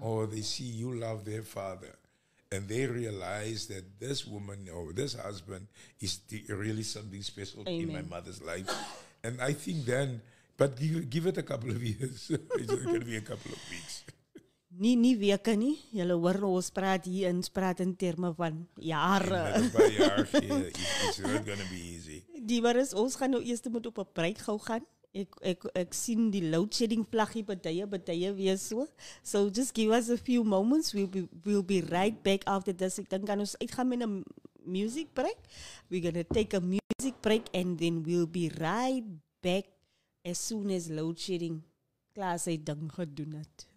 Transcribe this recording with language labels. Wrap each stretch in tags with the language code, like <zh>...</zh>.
<en>or they see you love their father. And they realize that this woman or this husband is really something special Amen. In my mother's life. And I think then, but give it a couple of years. It's going to be a couple of weeks.</en> <af>Nie weke nie. Julle hoor ons praat hier en praat in termen van jare.</af> <en>It's not going to be easy.</en> <af>Die waar is, ons gaan nou eerst moet op 'n break gou gaan. Ek sien die load shedding vlaggie by die weer so.</af> <en>So just give us a few moments. We'll be right back after this.</en> <af>Ek dink aan ons uitgaan met 'n music break.</af> <en>We're going to take a music break and then we'll be right back as soon as load shedding</en> <af>klaar sy ding gedoen het.</af>